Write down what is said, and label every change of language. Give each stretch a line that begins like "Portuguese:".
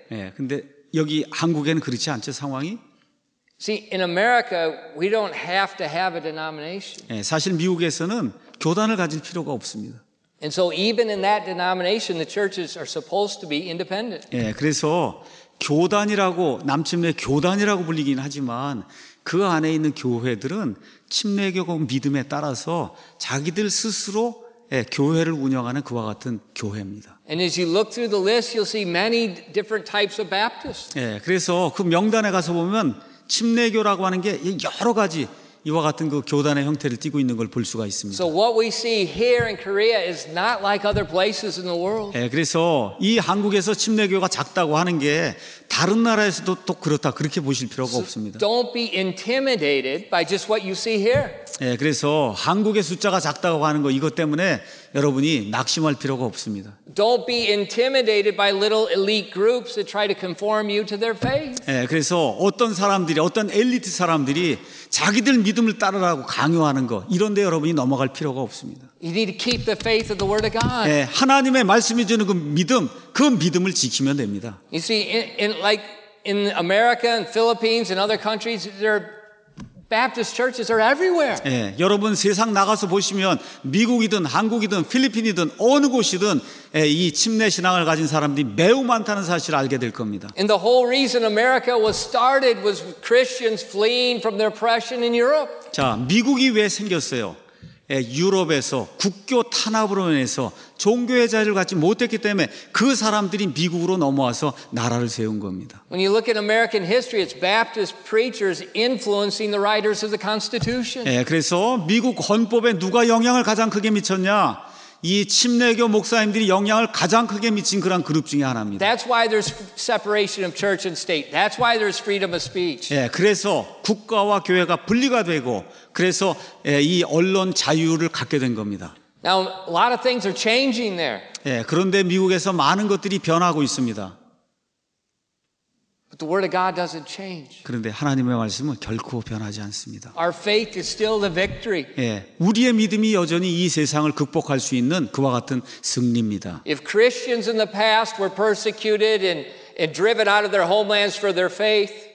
Korean: 예, 근데 여기 한국에는 그렇지 않죠 상황이?
English: See, in America, we don't have to have a denomination.
Korean: 예, 사실 미국에서는 교단을 가질 필요가 없습니다.
English: And so, even in that denomination, the churches are supposed to be independent.
Korean: 예, 그래서 교단이라고 남침례 교단이라고 불리긴 하지만 그 안에 있는 교회들은 침례교고 믿음에 따라서 자기들 스스로 예, 교회를 운영하는 그와 같은 교회입니다.
English: And as you look through the list, you'll see many different types of Baptists.
Korean: 예, 그래서 그 명단에 가서 보면 침례교라고 하는 게 여러 가지 이와 같은 그 교단의 형태를 띠고 있는 걸 볼 수가 있습니다.
English: So what we see here in Korea is not like other places in the world.
Korean: 예, 그래서 이 한국에서 침례교가 작다고 하는 게 다른 나라에서도 또 그렇다 그렇게 보실 필요가 so 없습니다.
English: Don't be intimidated by just what you see here.
Korean: 예, 그래서 한국의 숫자가 작다고 하는 거 이것 때문에 여러분이 낙심할 필요가 없습니다.
English: Don't be intimidated by little elite groups that try to conform you to their faith.
Korean: 예, 그래서 어떤 사람들이 어떤 엘리트 사람들이 자기들 믿음을 따르라고 강요하는 거 이런데 여러분이 넘어갈 필요가 없습니다.
English: You need to keep the faith of the word of God.
Korean: 예, 하나님의 말씀이 주는 그 믿음을 지키면 됩니다.
English: You see, in like in America and Philippines and other countries, there Baptist churches are everywhere.
Korean: 예, 여러분 세상 나가서 보시면 미국이든 한국이든 필리핀이든 어느 곳이든 예, 이 침례 신앙을 가진 사람들이 매우 많다는 사실을 알게 될 겁니다.
English: And the whole reason America was started was Christians fleeing from their oppression in Europe.
Korean: 자, 미국이 왜 생겼어요? 예, 유럽에서 국교 탄압으로 인해서 종교의 자유를 갖지 못했기 때문에 그 사람들이 미국으로 넘어와서 나라를 세운 겁니다.
English: When you look at American history, it's Baptist preachers influencing the writers of the Constitution.
Korean: 예, 그래서 미국 헌법에 누가 영향을 가장 크게 미쳤냐? 이 침례교 목사님들이 영향을 가장 크게 미친 그런 그룹 중에 하나입니다.
English: That's why there's separation of church and state. That's why there's freedom of speech.
Korean: 예, 그래서 국가와 교회가 분리가 되고 그래서 예, 이 언론 자유를 갖게 된 겁니다.
English: Now a lot of things are changing there.
Korean: 예, 그런데 미국에서 많은 것들이 변하고 있습니다.
English: But the word of God doesn't change.
Korean: 그런데 하나님의 말씀은 결코 변하지 않습니다.
English: Our faith is still the victory.
Korean: 예, 우리의 믿음이 여전히 이 세상을 극복할 수 있는 그와 같은 승리입니다.
English: If Christians in the past were persecuted and driven out of their homelands for their faith.